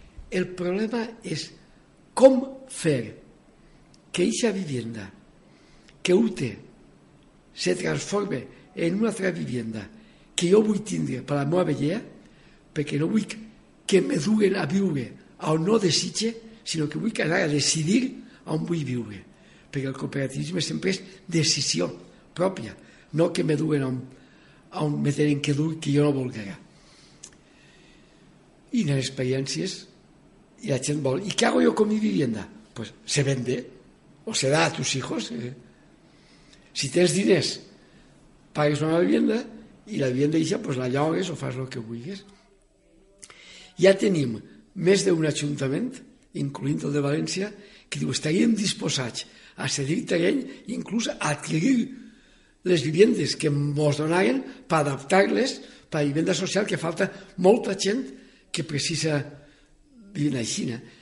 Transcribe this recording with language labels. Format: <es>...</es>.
<ca>El problema és com fer que aquesta vivenda que ho té se transforme en una altra vivenda que jo vull tindre per la meva vellea, perquè no vull que me duguen a viure on no desitge, sinó que vull anar a decidir on vull viure. Perquè el cooperativisme sempre és decisió pròpia, no que me duguen on me tenen que dur que jo no volguera. I les experiències, i la gent vol, i què</ca> <es>hago jo con mi vivienda? Pues se vende, o se da a tus hijos.</es> <ca>Si tens diners, pagues una vivienda, i la vivienda ixa, pues la llogues o fas el que vulguis. Ja tenim més d'un ajuntament, incluint el de València, que diu, estaríem disposats a cedir terreny, inclús a adquirir les viviendes que mos donaren per adaptar-les per a vivenda social, que falta molta gent que precisa vivir a Xina.</ca>